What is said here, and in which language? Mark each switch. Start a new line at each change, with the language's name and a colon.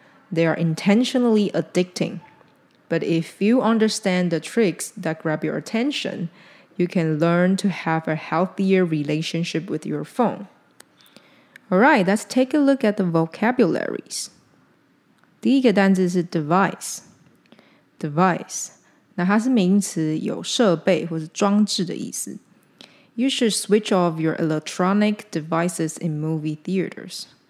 English: They are intentionally addicting. But if you understand the tricks that grab your attention, you can learn to have a healthier relationship with your phone. Alright, let's take a look at the vocabularies.
Chinese: 第一个单词是 device. Device. 那它是名词，有设备或是装置的意思。
English: You should switch off your electronic devices in movie theaters.